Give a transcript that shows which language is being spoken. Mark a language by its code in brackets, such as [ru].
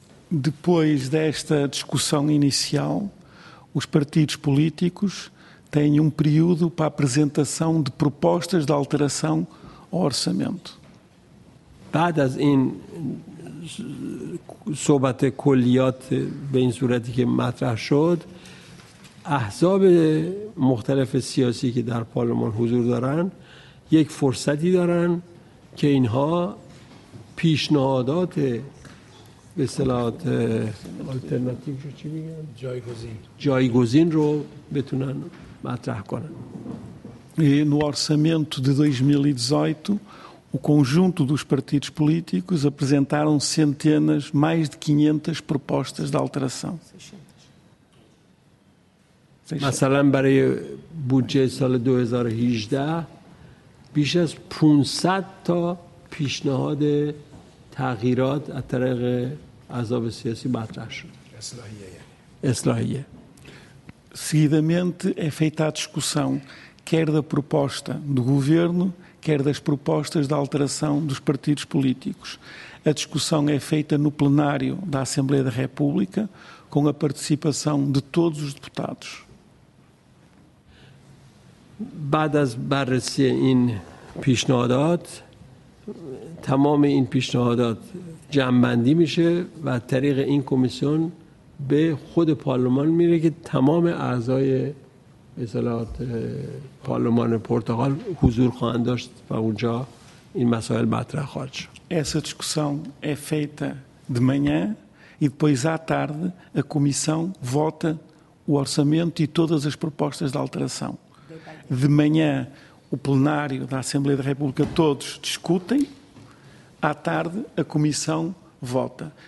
[pt] Depois desta discussão inicial, os partidos políticos têm um período para apresentação de propostas de alteração ao orçamento. [fa] بعد از این صحبت کلیات به این صورتی که مطرح شد احزاب مختلف سیاسی که در پارلمان حضور دارن یک فرصتی دارن که اینها پیشنهادات به اصطلاحات آلترناتیو رو چی میگن؟ جایگزین رو بتونن مطرح کنن. [pt] نو ارسامنتو دی 2018 o conjunto dos partidos políticos apresentaram centenas, mais de 500 propostas de alteração. 600. Para o budget de 2018, mais de 500 propostas de alteração através do processo de alteração. Seguidamente, é feita a discussão quer da proposta do governo, quer das propostas de alteração dos partidos políticos. A discussão é feita no plenário da Assembleia da República, com a participação de todos os deputados. [fa] بعد از بررسی این پیشنهادات تمام این پیشنهادات جمع‌بندی میشه و طریق این کمیسیون به خود پارلمان میره که تمام اعضای اصلاحات پارلمان پرتغال حضور خواهند داشت و اونجا این مسائل مطرح خواهد شد. [pt] Essa discussão é feita de manhã e depois à tarde a comissão vota o orçamento e todas as propostas de alteração. De manhã, o plenário da Assembleia da República, todos discutem, à tarde, a comissão vota.